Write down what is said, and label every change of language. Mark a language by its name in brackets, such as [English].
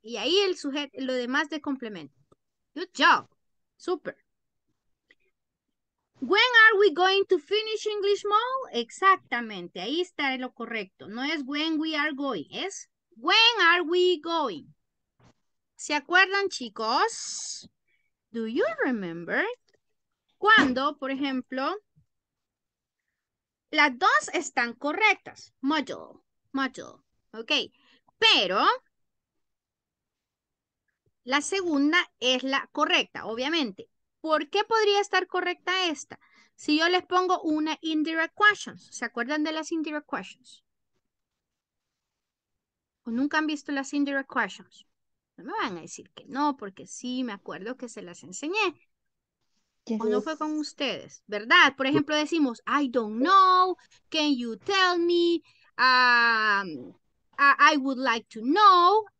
[Spanish] Y ahí el sujeto, lo demás de complemento. [English] Good job. Super. When are we going to finish English Mall? [Spanish] Exactamente, ahí está lo correcto. No es [English] when we are going, es when are we going. [Spanish] ¿Se acuerdan, chicos? [English] Do you remember? [Spanish] Cuando, por ejemplo, las dos están correctas. Module. Ok. Pero la segunda es la correcta, obviamente. ¿Por qué podría estar correcta esta? Si yo les pongo una indirect questions. ¿Se acuerdan de las indirect questions? ¿O nunca han visto las indirect questions? No me van a decir que no, porque sí, me acuerdo que se las enseñé. ¿O no fue con ustedes? ¿Verdad? Por ejemplo, decimos, [English] I don't know, can you tell me, I would like to know.